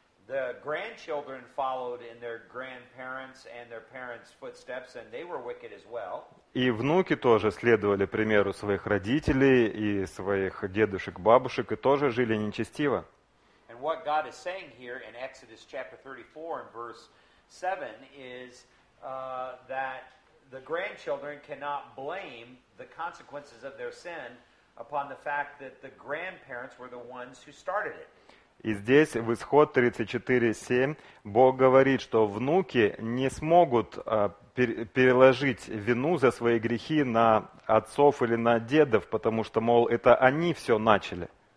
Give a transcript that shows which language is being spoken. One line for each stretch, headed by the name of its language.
English: The grandchildren followed in their grandparents and their parents' footsteps, and they were wicked as well.
Russian: И внуки тоже следовали примеру своих родителей и своих дедушек, бабушек, и тоже жили нечестиво.
English: And what God is saying here in Exodus chapter 34 and verse 7 is that the grandchildren cannot blame the consequences of their sin upon the fact that the grandparents were the ones who started it.
Russian: И здесь в Исход 34:7 Бог говорит, что внуки не смогут переложить вину за свои грехи на отцов или на дедов, потому что, мол, это они все начали.